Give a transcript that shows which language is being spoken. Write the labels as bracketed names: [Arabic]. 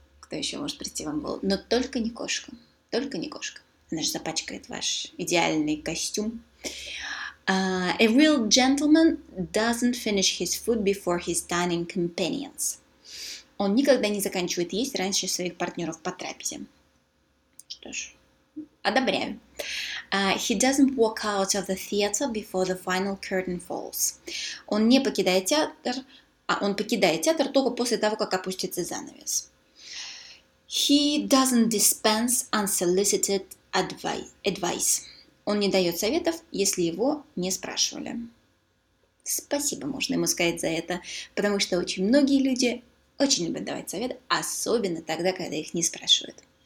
[Russian] кто еще может прийти вам в голову. Но только не кошка. Только не кошка. Она же запачкает ваш идеальный костюм. [English] A real gentleman doesn't finish his food before his dining companions. [Russian] Он никогда не заканчивает есть раньше своих партнеров по трапезе. Что ж, одобряю. [English] He doesn't walk out of the theater before the final curtain falls. [Russian] Он не покидает театр, он покидает театр только после того, как опустится занавес. [English] He doesn't dispense unsolicited advice. [Russian] Он не дает советов, если его не спрашивали. Спасибо можно ему сказать за это, потому что очень многие люди очень любят давать советы, особенно тогда, когда их не спрашивают.